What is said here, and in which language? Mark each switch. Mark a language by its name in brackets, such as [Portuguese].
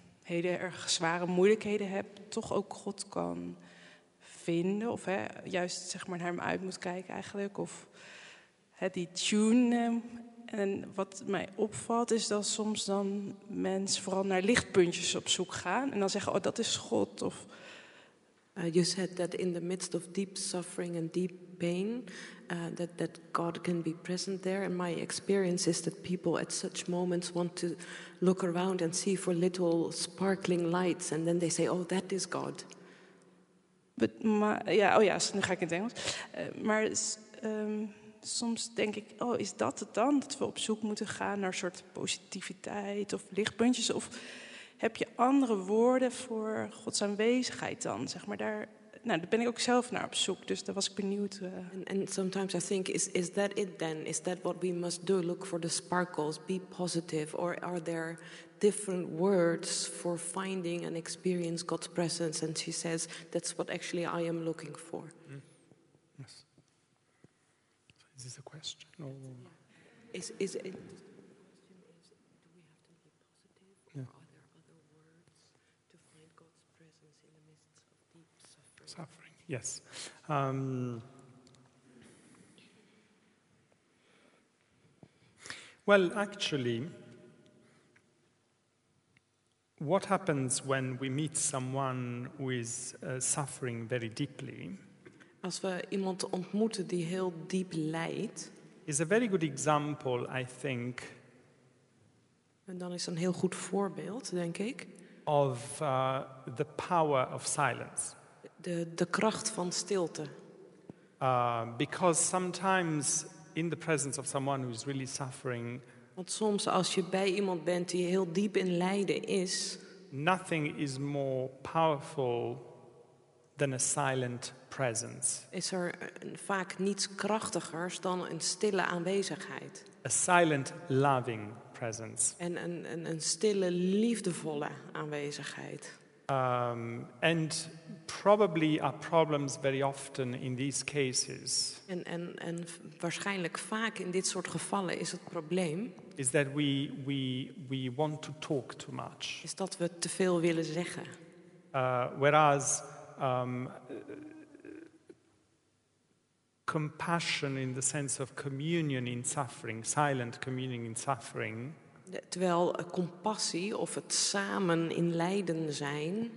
[Dutch] hele erg zware moeilijkheden heb, toch ook God kan vinden. Of juist zeg maar naar hem uit moet kijken eigenlijk. Of die tune. En wat mij opvalt is dat soms dan mensen vooral naar lichtpuntjes op zoek gaan. En dan zeggen, oh, dat is God. Of [English] You said that in the midst of deep suffering and deep pain, that God can be present there. And my experience is that people at such moments want to look around and see for little sparkling lights. And then they say, oh, that is God. [Dutch] Nu ga ik in het Engels. Soms denk ik, oh, is dat het dan? Dat we op zoek moeten gaan naar een soort positiviteit of lichtpuntjes? Of heb je andere woorden voor Gods aanwezigheid dan? Zeg maar daar, nou, daar ben ik ook zelf naar op zoek, dus daar was ik benieuwd. [English] And sometimes I think, is that it then? Is that what we must do? Look for the sparkles, be positive. Or are there different words for finding and experience God's presence? And she says, that's what actually I am looking for. Mm. Yes. Is this a question? Or? Is it? Do we have to be positive, or are there other words to find God's presence in the midst of deep suffering? Suffering, yes. Well, actually, what happens when we meet someone who is suffering very deeply? [Dutch] Als we iemand ontmoeten die heel diep lijdt, [English] is a very good example, I think. [Dutch] En dan is een heel goed voorbeeld, denk ik. [English] Of the power of silence. [Dutch] De kracht van stilte. [English] Because sometimes in the presence of someone who is really suffering. [Dutch] Want soms als je bij iemand bent die heel diep in lijden is. [English] Nothing is more powerful than a silent presence. [Dutch] Is er vaak niets krachtigers dan een stille aanwezigheid? [English] A silent, loving presence. [Dutch] En een stille, liefdevolle aanwezigheid. [English] And probably our problems very often in these cases. [Dutch] En waarschijnlijk vaak in dit soort gevallen is het probleem. [English] Is that we want to talk too much. [Dutch] Is dat we te veel willen zeggen. [English] Whereas compassion in the sense of communion in suffering, silent communion in suffering. [Dutch] Terwijl compassie of het samen in lijden zijn.